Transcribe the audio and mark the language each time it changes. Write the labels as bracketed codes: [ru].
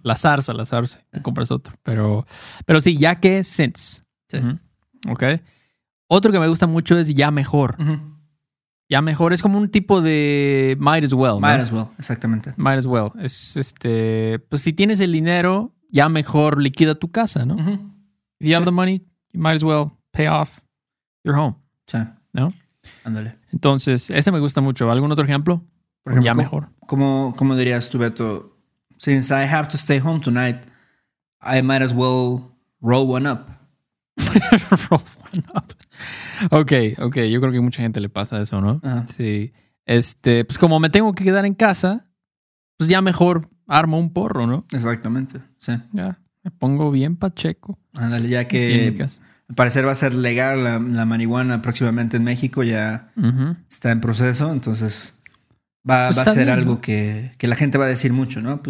[es] La zarza. Te compras otro. Pero sí, ya que [en] since. [es] Sí. Ok. Otro que me gusta mucho es ya mejor. Ya mejor. Es como un tipo de [en] might as well. [es] Exactamente. [en] Might as well. [es] Pues si tienes el dinero, ya mejor liquida tu casa, ¿no? [en] If you have the money, you might as well pay off your home. [es] Sí. ¿No? Ándale. Entonces, ese me gusta mucho. ¿Algún otro ejemplo? Por ejemplo, ya mejor. ¿Cómo dirías tú, Beto? [en] Since I have to stay home tonight, I might as well roll one up. Roll one up. Ok. [es] Yo creo que mucha gente le pasa eso, ¿no? Uh-huh. Sí. Pues como me tengo que quedar en casa, pues ya mejor armo un porro, ¿no? Exactamente, sí. Ya, me pongo bien pacheco. Ándale, ya que al parecer va a ser legal la marihuana próximamente en México, ya está en proceso, entonces va a ser algo que la gente va a decir mucho, ¿no?